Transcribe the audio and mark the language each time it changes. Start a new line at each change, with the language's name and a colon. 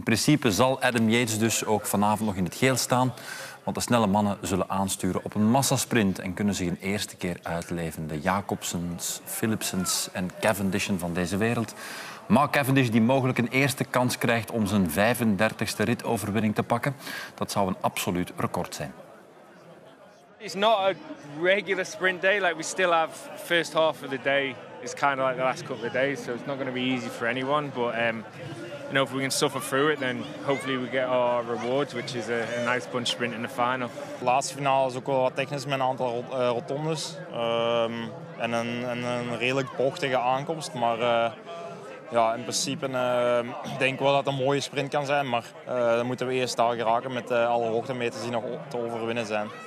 Dutch: In principe zal Adam Yates dus ook vanavond nog in het geel staan, want de snelle mannen zullen aansturen op een massasprint en kunnen zich een eerste keer uitleven. De Jacobsens, Philipsens en Cavendishen van deze wereld. Maar Cavendish die mogelijk een eerste kans krijgt om zijn 35e ritoverwinning te pakken, dat zou een absoluut record zijn.
English: It's not a regular sprint day. Like we still have first half of the day is kind of like the last couple of days, so it's not going to be easy for anyone. But you know, if we can suffer through it, then hopefully we get our rewards, which is a nice bunch sprint in the final.
Dutch: De laatste finale is ook wel wat technisch met een aantal rotondes en een redelijk bochtige aankomst, maar. Ja, in principe denk ik wel dat het een mooie sprint kan zijn, maar dan moeten we eerst daar geraken met alle hoogtemeters die nog te overwinnen zijn.